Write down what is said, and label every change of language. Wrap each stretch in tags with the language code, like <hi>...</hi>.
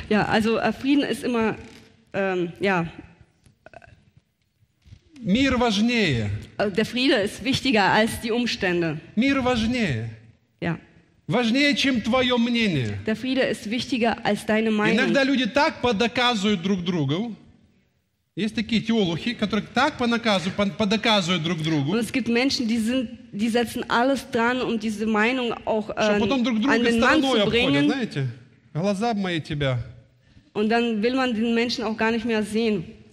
<de>Ja, also Frieden ist immer, ja.</de> <ru>Мир важнее.</ru> <de>Der Friede ist wichtiger als die Umstände.</de> <ru>Мир важнее.</ru> <de>Ja.</de> <ru>Важнее, чем твое мнение.</ru> <de>Der Friede ist wichtiger als deine Meinung.</de> <ru>Иногда люди так подоказывают друг другу. Есть такие теологи, которые так подоказывают друг другу.</ru> <de>Und es gibt Menschen, die setzen alles dran, um diese Meinung auch an den Mann zu bringen.</de> <ru>Знаете, глаза мои тебя.</ru> <de>Und dann will man den Menschen auch gar nicht mehr sehen.</de>